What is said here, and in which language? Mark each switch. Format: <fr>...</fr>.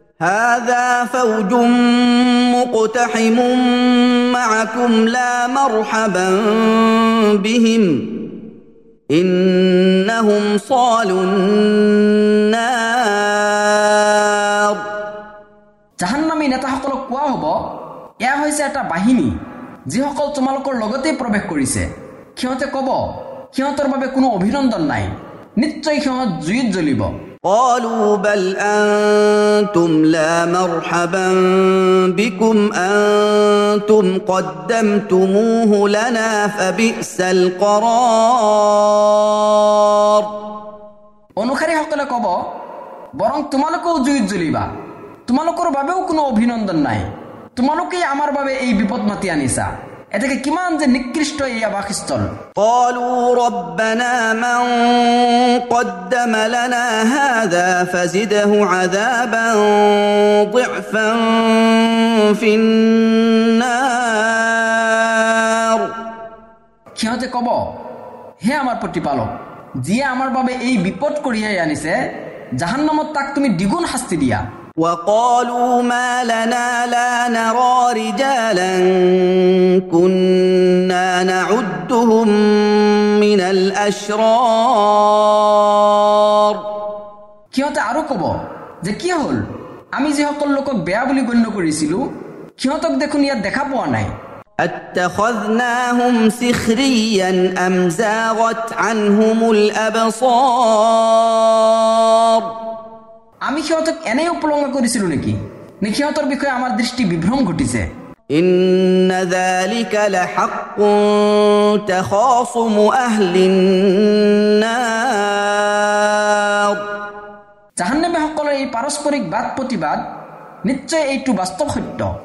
<ar>هذا فوج مقتحم معكم لا مرحبا بهم إنهم صالوا النار</ar> <as>جهنمي نتحقلو قواهبا এয়া হৈছে এটা বাহিনী যিসকল তোমালোকৰ লগতে প্ৰৱেশ কৰিছে, সিহঁতে কব সিহঁতৰ বাবে কোনো অভিনন্দন নাই, নিশ্চয় সিহঁত জুইত জ্বলিব।</as> <ar>قالوا بل انتم لا مرحبا بكم انتم قدمتموه لنا فبئس القرار।</ar> <as>অনুসাৰীসকলে কব বৰং তোমালোকেও জুইত জ্বলিবা, তোমালোকৰ বাবেও কোনো অভিনন্দন নাই, তোমালোকে আমার বাবে এই বিপদ মাতি আনিছা, এটাকে কিমান যে নিকৃষ্ট এই আবাসস্থল।</as> <ar>قالوا ربنا من قدم لنا هذا فزده عذابا ضعفا في النار।</ar> <as>কিহতে কব হে আমার প্রতিপালক, যিয়ে আমার বাবে এই বিপদ কঢ়িয়াই আনিছে, জাহান্নামত তাক তুমি দ্বিগুণ শাস্তি দিয়া।</as> <ar>وقالوا ما لنا لا نرى رجالا كنا نعدهم من الاشرار।</ar> <as>কিহতে আৰু কব যে কি হল, আমি যিসকল লোকক বেয়া বুলি গণ্য কৰিছিলো সিহঁতক দেখোন ইয়াত দেখা পোৱা নাই।</as> <ar>اتخذناهم سخريا ام زاغت عنهم الابصار।</ar> <as>আমি সিহঁতক এনেই উপলংঘা কৰিছিলো নেকি, সিহঁতৰ বিষয়ে আমাৰ দৃষ্টি বিভ্ৰম ঘটিছে।</as> <ar>ইন্না যালিকা লাহাক্কুন তাখাসুমু আহলিন নার।</ar> <as>জাহান্নামীসকলৰ এই পাৰস্পৰিক বাদ প্ৰতিবাদ নিশ্চয় এইটো বাস্তৱ সত্য।</as>